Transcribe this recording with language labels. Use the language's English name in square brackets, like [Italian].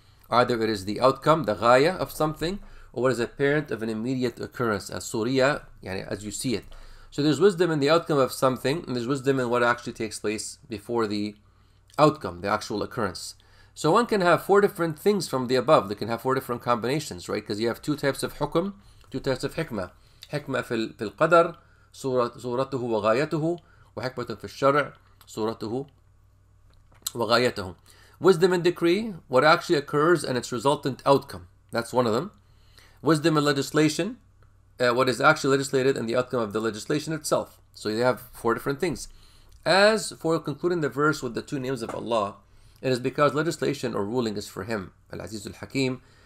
[English] Either it is the outcome, the غاية of something, or what is apparent of an immediate occurrence, as صورية, يعني as you see it. So there's wisdom in the outcome of something, and there's wisdom in what actually takes place before the outcome, the actual occurrence. So one can have four different things from the above. They can have four different combinations, right? Because you have two types of حكم, two types of حكمة. [Arabic] حكمة في القدر, صورته وغايته, وحكمة في الشرع, صورته وغايته. [English] Wisdom in decree, what actually occurs and its resultant outcome. That's one of them. Wisdom in legislation, what is actually legislated and the outcome of the legislation itself. So you have four different things. As for concluding the verse with the two names of Allah, it is because legislation or ruling is for him, Al-Aziz Al-Hakim.